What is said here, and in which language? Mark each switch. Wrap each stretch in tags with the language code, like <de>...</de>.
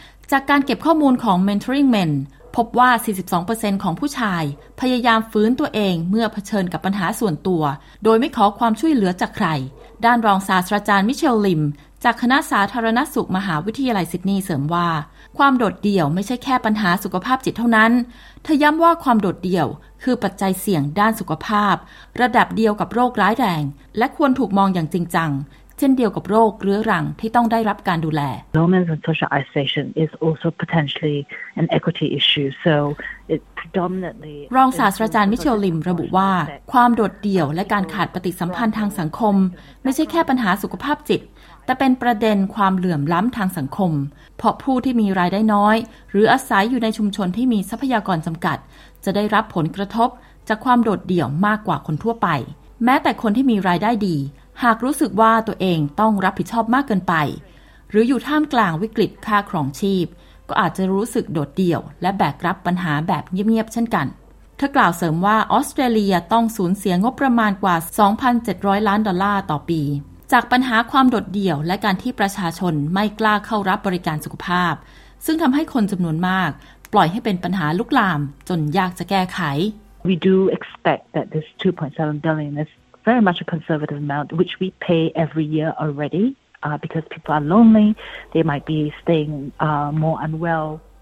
<th>จากการเก็บข้อมูลของ Mentoring Men พบว่า 42% ของผู้ชายพยายามฟื้นตัวเองเมื่อเผชิญกับปัญหาส่วนตัวโดยไม่ขอความช่วยเหลือจากใครด้านรองศาสตราจารย์มิเชลลิมจากคณะสาธารณสุขมหาวิทยาลัยซิดนีย์เสริมว่าความโดดเดี่ยวไม่ใช่แค่ปัญหาสุขภาพจิตเท่านั้นเธอย้ำว่าความโดดเดี่ยวคือปัจจัยเสี่ยงด้านสุขภาพระดับเดียวกับโรคร้ายแรงและควรถูกมองอย่างจริงจังเช่นเดียวกับโรคเรื้อรังที่ต้องได้รับการดูแล</th> <en>Loneliness and social isolation is also potentially an equity issue. So it predominantly</en> <th>รองศาสตราจารย์มิเชลลิมระบุว่าความโดดเดี่ยวและการขาดปฏิสัมพันธ์ทางสังคมไม่ใช่แค่ปัญหาสุขภาพจิตแต่เป็นประเด็นความเหลื่อมล้ำทางสังคมเพราะผู้ที่มีรายได้น้อยหรืออาศัยอยู่ในชุมชนที่มีทรัพยากรจำกัดจะได้รับผลกระทบจากความโดดเดี่ยวมากกว่าคนทั่วไปแม้แต่คนที่มีรายได้ดีหากรู้สึกว่าตัวเองต้องรับผิดชอบมากเกินไป หรืออยู่ท่ามกลางวิกฤตค่าครองชีพก็อาจจะรู้สึกโดดเดี่ยวและแบกรับปัญหาแบบเงียบๆเช่นกันเธอกล่าวเสริมว่าออสเตรเลียต้องสูญเสียงบประมาณกว่า 2,700 ล้านดอลลาร์ต่อปีจากปัญหาความโดดเดี่ยวและการที่ประชาชนไม่กล้าเข้ารับบริการสุขภาพซึ่งทำให้คนจำนวนมากปล่อยให้เป็นปัญหาลุกลามจนยากจะแก้ไข</th> <en>We do expect that this 2.7 billion is very much a conservative amount which we pay every year already because people are lonely they might be staying more unwell</en>